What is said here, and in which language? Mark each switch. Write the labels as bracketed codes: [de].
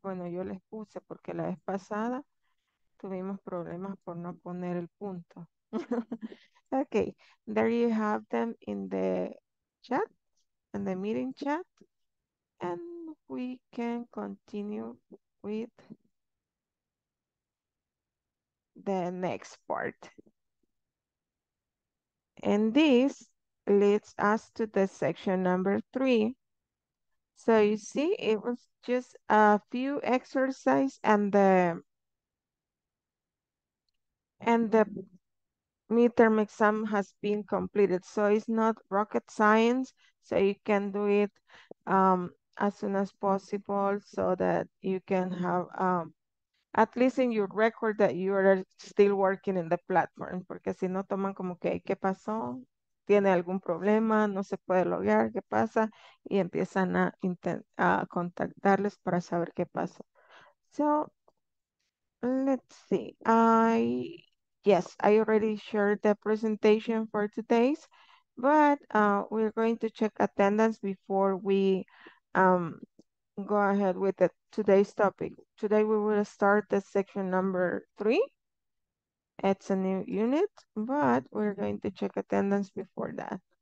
[es] Bueno, yo les puse porque la vez pasada tuvimos problemas por no poner el punto. [en] Okay, there you have them in the chat, in the meeting chat, and we can continue with the next part. And this leads us to the section number 3. So you see, it was just a few exercises and the midterm exam has been completed. So it's not rocket science. So you can do it as soon as possible so that you can have at least in your record that you are still working in the platform. [es] Porque si no toman como que, ¿qué pasó? ¿Tiene algún problema? ¿No se puede loguear? ¿Qué pasa? Y empiezan a contactarles para saber qué pasó. [en] So, let's see. I already shared the presentation for today's, but we're going to check attendance before we go ahead with today's topic. Today we will start the section number 3. It's a new unit, but we're going to check attendance before that.